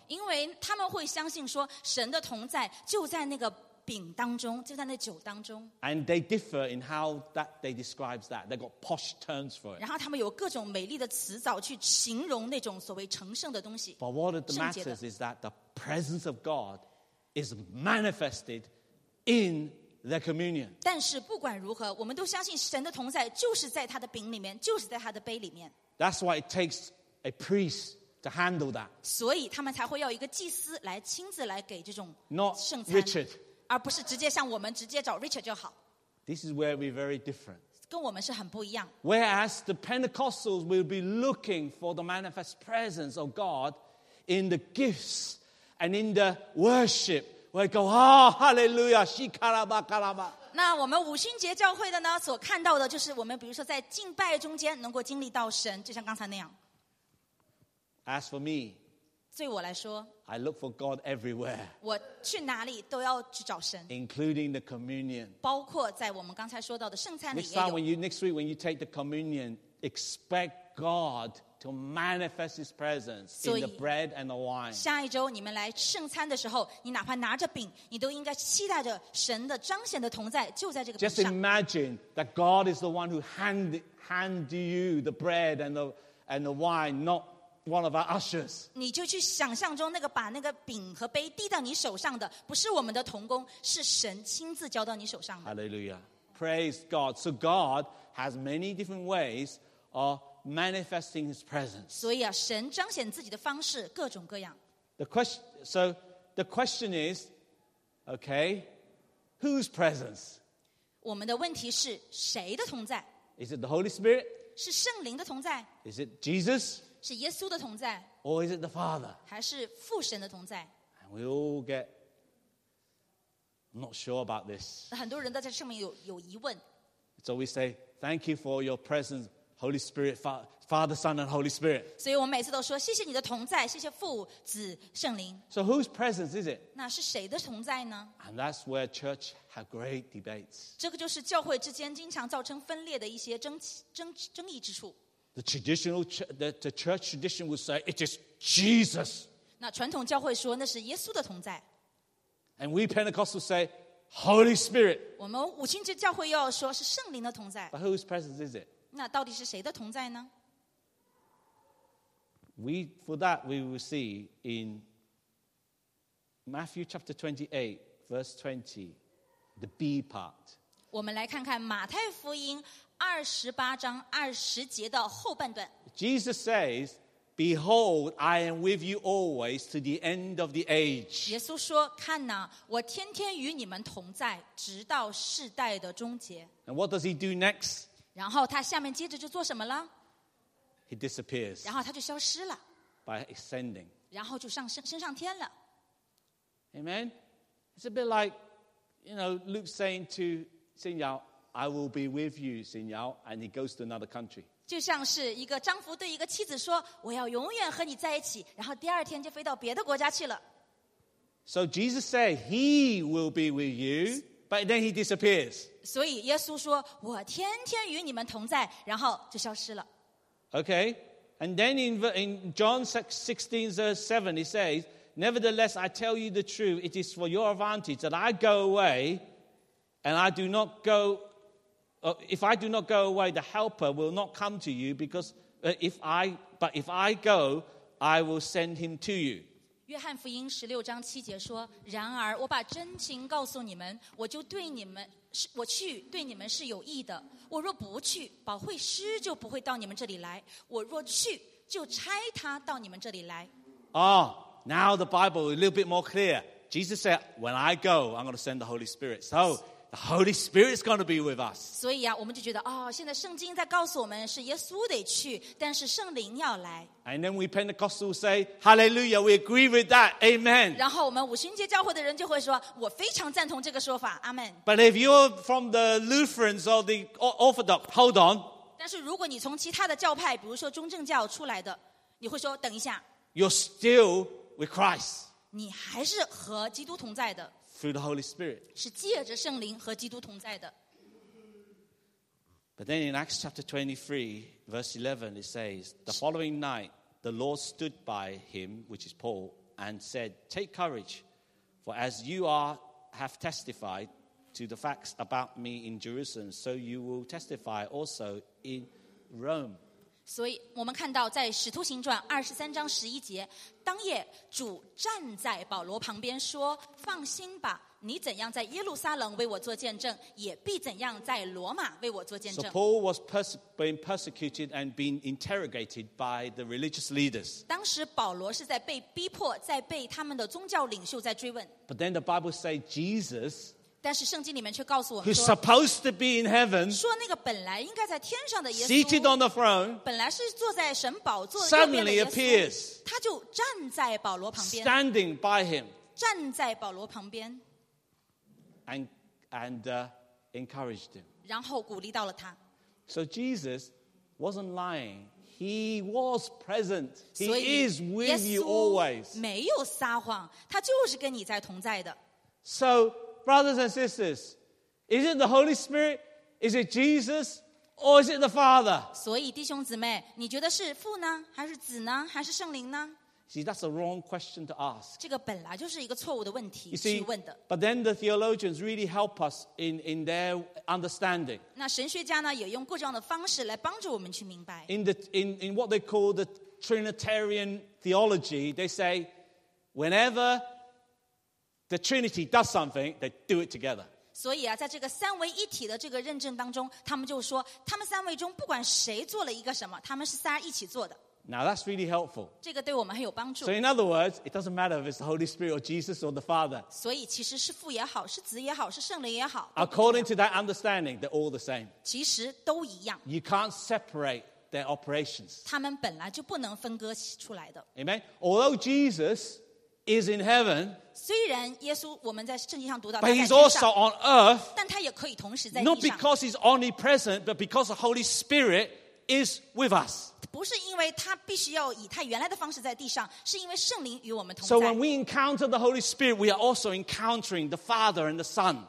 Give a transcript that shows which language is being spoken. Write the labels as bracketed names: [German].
[Chinese] 因为他们会相信说神的同在就在那个饼当中，就在那酒当中。 [English] And they differ in how that they describe that. They've got posh terms for it. [Chinese] 然后他们有各种美丽的词藻去形容那种所谓成圣的东西。 [English] But what it matters is that the presence of God is manifested in the communion. [Chinese] 但是不管如何，我们都相信神的同在就是在他的饼里面，就是在他的杯里面。 [English] That's why it takes a priest to handle that. [Chinese] 所以他们才会要一个祭司来亲自来给这种圣餐。 [English] Not Richard. [Chinese] 而不是直接像我们直接找 Richard 就好。 [English] This is where we're very different. [Chinese] 跟我们是很不一样。 [English] Whereas the Pentecostals will be looking for the manifest presence of God in the gifts and in the worship. We go, oh, hallelujah, shikaraba karaba. [Chinese] 那我们五旬节教会的呢，所看到的就是我们比如说在敬拜中间能够经历到神，就像刚才那样。 [English] As for me, [Chinese] 对我来说 [English] I look for God everywhere. [Chinese] 我去哪里都要去找神。 [English] Including the communion. [Chinese] 包括在我们刚才说到的圣餐里也有。 [English] Next time when you, next week when you take the communion, expect God to manifest his presence in the bread and the wine. [Chinese] 下一周你们来圣餐的时候，你哪怕拿着饼，你都应该期待着神的彰显的同在就在这个饼上。 [English] Just imagine that God is the one who hand you the bread and the wine, not one of our ushers. [Chinese] 你就去想象中那个把那个饼和杯递到你手上的不是我们的同工，是神亲自交到你手上的。 [English] Hallelujah. Praise God. So God has many different ways of manifesting his presence. [Chinese] 所以啊，神彰显自己的方式各种各样。 [English] So the question is, okay, whose presence? [Chinese] 我们的问题是谁的同在？ [English] Is it the Holy Spirit? [Chinese] 是圣灵的同在？ [English] Is it Jesus? [Chinese] 是耶稣的同在， [English] or is it the Father? [Chinese] 还是父神的同在？ [English] And we all get not sure about this. [Chinese] 很多人都在上面有疑问。 [English] So we say, thank you for your presence, Holy Spirit, Father, Son, and Holy Spirit. [Chinese] 所以我每次都说，谢谢你的同在，谢谢父、子、圣灵。 [English] So whose presence is it? [Chinese] 那是谁的同在呢？ [English] And that's where church have great debates. [Chinese] 这个就是教会之间经常造成分裂的一些争议之处。 [English] The traditional, the church tradition would say it is Jesus. [Chinese] 那传统教会说那是耶稣的同在。 [English] And we Pentecostals say Holy Spirit. [Chinese] 我们五旬节教会又要说是圣灵的同在。 [English] But whose presence is it? [Chinese] 那到底是谁的同在呢？ [English] For that we will see in Matthew chapter 28, verse 20, the B part. [Chinese] 我们来看看马太福音。28:20. [English] Jesus says, Behold, I am with you always to the end of the age. [Chinese] 耶稣说，看哪，我天天与你们同在，直到世代的终结。 [English] And what does he do next? [Chinese] 然后他下面接着就做什么了？ [English] He disappears. [Chinese] 然后他就消失了。 [English] By ascending. [Chinese] 然后就升上天了。 [English] Amen? It's a bit like, you know, Luke saying to Xin Yao,I will be with you, Xin Yao, and he goes to another country. [Chinese] 就像是一个丈夫对一个妻子说，我要永远和你在一起，然后第二天就飞到别的国家去了。 [English] So Jesus said he will be with you, but then he disappears. [Chinese] 所以耶稣说，我天天与你们同在，然后就消失了。 [English] Okay, and then in John 16:7, he says, Nevertheless, I tell you the truth, it is for your advantage that I go away, and I do not go. If I do not go away, the Helper will not come to you, but if I go, I will send him to you. [Chinese] 约翰福音16:7说，然而我把真情告诉你们，我去对你们是有益的。我若不去，保惠师就不会到你们这里来。我若去，就差他到你们这里来。 [English] Oh, now the Bible is a little bit more clear. Jesus said, when I go, I'm going to send the Holy Spirit. So,The Holy Spirit is going to be with us. [Chinese] 所以啊，我们就觉得哦，现在圣经在告诉我们是耶稣得去，但是圣灵要来。 [English] And then we Pentecostals say, Hallelujah, we agree with that, Amen. [Chinese] 然后我们五旬节教会的人就会说，我非常赞同这个说法 ，Amen. [English] But if you're from the Lutherans or the Orthodox, hold on. [Chinese] 但是如果你从其他的教派，比如说中正教出来的，你会说等一下。 [English] You're still with Christ. [Chinese] 你还是和基督同在的。 [English] Through the Holy Spirit. [Chinese] 是借着圣灵和基督同在的。 [English] But then in Acts chapter 23, verse 11, it says, The following night, the Lord stood by him, which is Paul, and said, Take courage, for as you are, have testified to the facts about me in Jerusalem, so you will testify also in Rome. [Chinese] 所以我们看到在使徒行传23章11节，当夜主站在保罗旁边说，放心吧。你怎样在耶路撒冷为我做见证，也必怎样在罗马为我做见证。 [English] So Paul was being persecuted and being interrogated by the religious leaders. [Chinese] 当时保罗是在被逼迫，在被他们的宗教领袖在追问。 [English] But then the Bible says Jesus, [Chinese] 但是圣经里面却告诉我们说 [English] who's supposed to be in heaven, [Chinese] 说那个本来应该在天上的耶稣 [English] seated on the throne, [Chinese] 本来是坐在神宝座右边的耶稣 [English] suddenly appears, [Chinese] 他就站在保罗旁边 [English] standing by him, [Chinese] 站在保罗旁边。 [English] And encouraged him. [Chinese] 然后鼓励到了他。 [English] So Jesus wasn't lying. He was present. He is with you always. [Chinese] 没有撒谎，他就是跟你在同在的。 [English] So brothers and sisters, is it the Holy Spirit? Is it Jesus? Or is it the Father? [Chinese] 所以弟兄姊妹，你觉得是父呢，还是子呢，还是圣灵呢？ [English] See, that's a wrong question to ask. [Chinese] 这个本来就是一个错误的问题去问的。 [English] But then the theologians really help us in their understanding. [Chinese] 那神学家呢，也用各种的方式来帮助我们去明白。 [English] In what they call the Trinitarian theology, they say, whenever the Trinity does something, they do it together. [Chinese] 所以啊，在这个三位一体的这个认证当中，他们就说，他们三位中不管谁做了一个什么，他们是仨一起做的。 [English] Now that's really helpful. [Chinese] 这个对我们很有帮助。 [English] So in other words, it doesn't matter if it's the Holy Spirit or Jesus or the Father. [Chinese] 所以其实是父也好，是子也好，是圣灵也好。 [English] According to that understanding, they're all the same. [Chinese] 其实都一样。 [English] You can't separate their operations. [Chinese] 他们本来就不能分割出来的。 [English] Amen. Although Jesus is in heaven, [Chinese] 虽然耶稣我们在圣经上读到，但 [English] he's also on earth. [Chinese] 但他也可以同时在地上。 [English] Not because he's omnipresent, but because the Holy Spirit is with us. [Chinese] 不是因为他必须要以他原来的方式在地上，是因为圣灵与我们同在。 [English] So when we encounter the Holy Spirit, we are also encountering the Father and the Son.